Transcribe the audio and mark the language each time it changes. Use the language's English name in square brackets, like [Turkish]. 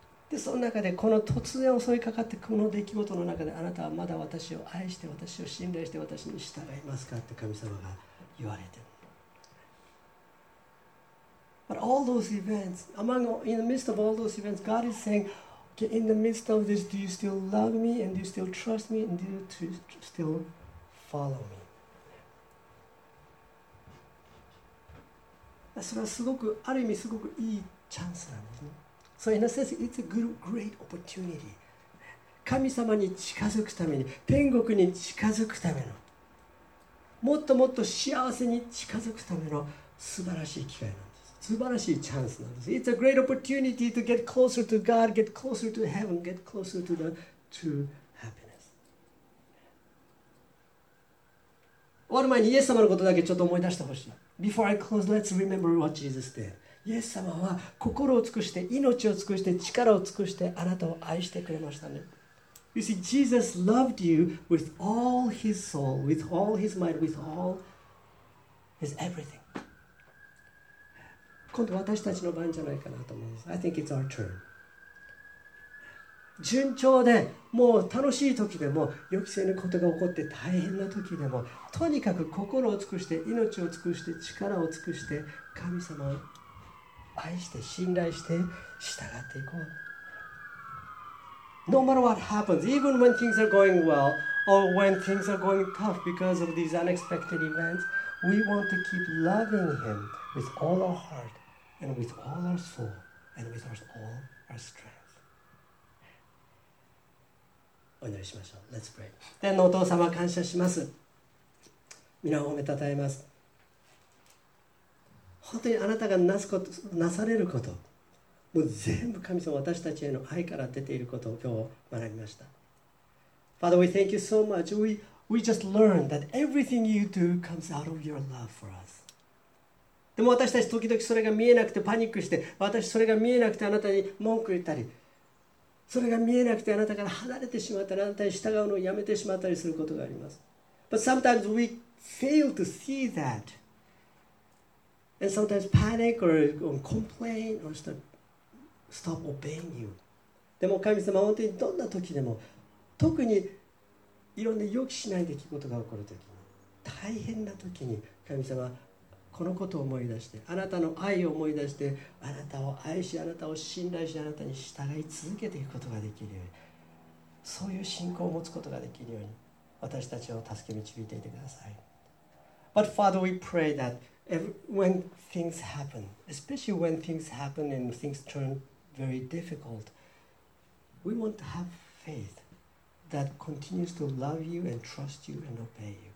[Japanese] で、その中でこの突然襲いかかってこの出来事の中であなたはまだ私を愛して私を信頼して私に従いますかって神様が言われてる。 [English] But all those events, among, in the midst of all those events, God is saying, okay, in the midst of this, do you still love me and do you still trust me and do you still follow me? [Japanese] それはすごくある意味すごくいいチャンスなんですね。 [English] So in a sense, it's a good, great opportunity. [Japanese] 神様に近づくために、天国に近づくための、もっともっと幸せに近づくための素晴らしい機会なんです。素晴らしいチャンスなんです。 [English] It's a great opportunity to get closer to God, get closer to heaven, get closer to the true happiness. [Japanese] 終わる前にイエス様のことだけちょっと思い出してほしい。 [English] Before I close, let's remember what Jesus did. [Japanese] イエス様は心を尽くして、命を尽くして、力を尽くしてあなたを愛してくれましたね。 [English] You see, Jesus loved you with all his soul, with all his might, with all his everything. [Japanese] 今度私たちの番じゃないかなと思います。 [English] I think it's our turn. [Japanese] 順調で、もう楽しい時でも、予期せぬことが起こって大変な時でも、とにかく心を尽くして、命を尽くして、力を尽くして、神様を愛して、信頼して、従っていこう。 [English] No matter what happens, even when things are going well, or when things are going tough because of these unexpected events, we want to keep loving Him with all our heart, and with all our soul, and with all our strength. [Japanese] お祈りしましょう。 [English] Let's pray. [Japanese] 天のお父様、感謝します。皆を褒めたたえます。本当にあなたがなすこと、なされること、もう全部神様、私たちへの愛から出ていることを今日学びました。 [English] Father, we thank you so much. We just learned that everything you do comes out of your love for us. [Japanese] でも私たち時々それが見えなくてパニックして、私それが見えなくてあなたに文句言ったり、それが見えなくてあなたから離れてしまったり、あなたに従うのをやめてしまったりすることがあります。 [English] But sometimes we fail to see that. And sometimes panic or complain or stop obeying you. [Japanese] でも神様、本当にどんな時でも、特にいろんな予期しない出来事が起こる時、大変な時に神様、このことを思い出して、あなたの愛を思い出して、あなたを愛し、あなたを信頼し、あなたに従い続けていくことができるように、そういう信仰を持つことができるように、私たちを助け導いていてください。 [English] But Father, we pray that when things happen, especially when things happen and things turn very difficult, we want to have faith that continues to love you and trust you and obey you.